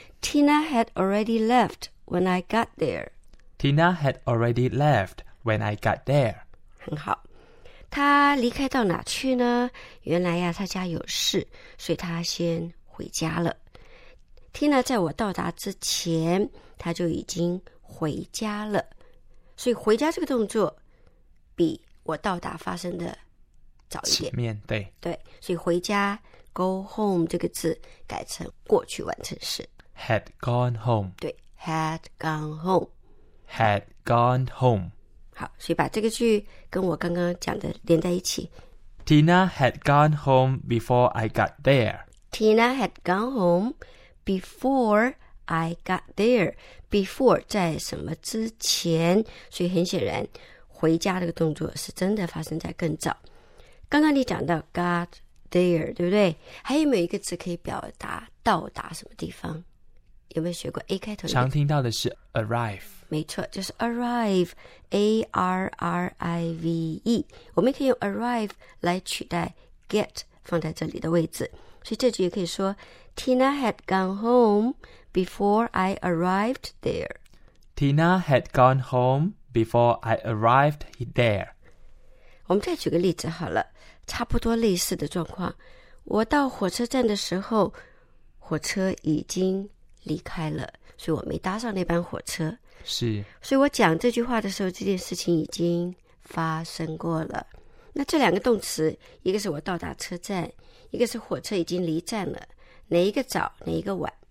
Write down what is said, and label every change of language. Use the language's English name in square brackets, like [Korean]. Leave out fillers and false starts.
[English] Tina had already left when I got there. Tina had already left when I got there. [Chinese] 很好，他离开到哪去呢？原来呀，他家有事，所以他先回家了。 Tina 在我到达之前，他就已经回家了，所以回家这个动作比我到达发生的。早一点，前面，对。对，所以回家 [English] go home [Chinese] 这个字改成过去完成式。 [English] Had gone home. 对 ,had gone home. Had gone home. [Chinese] 好，所以把这个句跟我刚刚讲的连在一起。 [English] Tina had gone home before I got there. Tina had gone home before I got there. [Chinese] Before 在什么之前，所以很显然回家这个动作是真的发生在更早。刚刚你讲到 [English] got there, [Chinese] 对不对？还有没有一个词可以表达到达什么地方？有没有学过 A 开头？常听到的是 arrive。没错，就是 arrive, A-R-R-I-V-E。我们可以用 arrive 来取代 get 放在这里的位置。所以这句也可以说 [English] Tina had gone home before I arrived there. Tina had gone home before I arrived there. [Chinese] 我们再举个例子好了，差不多类似的状况。我到火车站的时候，火车已经离开了，所以我没搭上那班火车。是。所以我讲这句话的时候，这件事情已经发生过了。那这两个动词，一个是我到达车站，一个是火车已经离站了，哪一个早，哪一个晚？